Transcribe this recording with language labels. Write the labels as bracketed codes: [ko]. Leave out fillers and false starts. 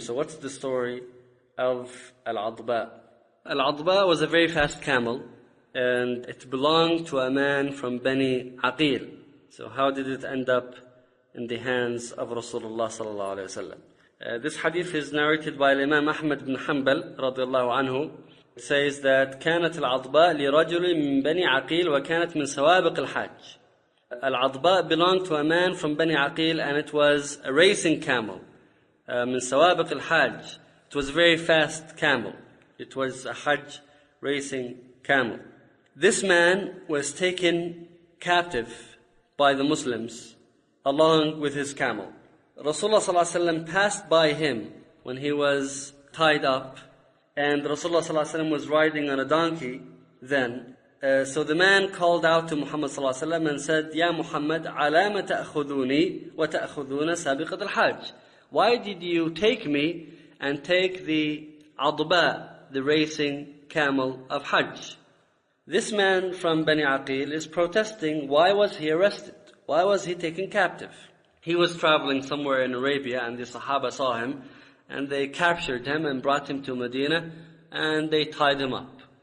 [en] So what's the story of al-Adba? Al-Adba was a very fast camel, and it belonged to a man from Bani Aqil. So how did it end up in the hands of Rasulullah sallallahu alayhi wa sallam? This hadith is narrated by Imam Ahmad ibn Hanbal radiallahu anhu. [ar] It says that كانت العضباء لرجل من بني عقيل وكانت من سوابق الحج. [en] العضباء belonged to a man from Bani Aqil, and it was a racing camel. [ar] من سوابق الحج. [en] It was a very fast camel. It was a Hajj racing camel. This man was taken captive by the Muslims along with his camel. Rasulullah صلى الله عليه وسلم passed by him when he was tied up, and Rasulullah صلى الله عليه وسلم was riding on a donkey then. So the man called out to Muhammad صلى الله عليه وسلم and said, [ar] يا محمد علام تأخذوني وتأخذون سابقة الحج. [en] Why did you take me and take the عضباء, the racing camel of Hajj? This man from Bani Aqil is protesting, why was he arrested? Why was he taken captive? He was traveling somewhere in Arabia, and the Sahaba saw him, and they captured him and brought him to Medina, and they tied him up.